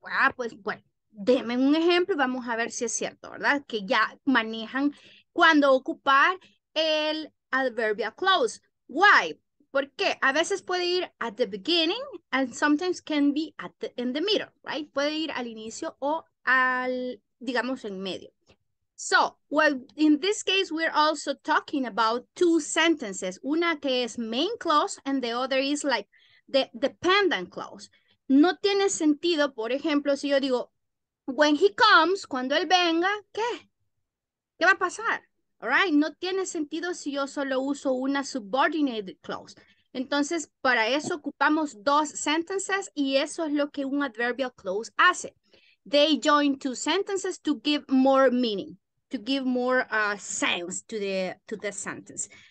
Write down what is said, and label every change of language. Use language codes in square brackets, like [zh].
[es] Ah, pues bueno, denme un ejemplo y vamos a ver si es cierto, ¿verdad? Que ya manejan cuando ocupar el adverbial clause. [en] Why? [es] ¿Por qué? A veces puede ir [en] at the beginning and sometimes can be at the, in the middle, right? [es] Puede ir al inicio o al, digamos, en medio. [en] So, well, in this case, we're also talking about two sentences. [es] Una que es [en] main clause and the other is like the dependent clause. [es] No tiene sentido, por ejemplo, si yo digo, [en] when he comes, [es] cuando él venga, ¿qué? ¿Qué va a pasar? [en] All right, [es] no tiene sentido si yo solo uso una subordinated clause. Entonces, para eso ocupamos dos sentences y eso es lo que un adverbial clause hace. [en] They join two sentences to give more meaning, to give more sense to the sentence.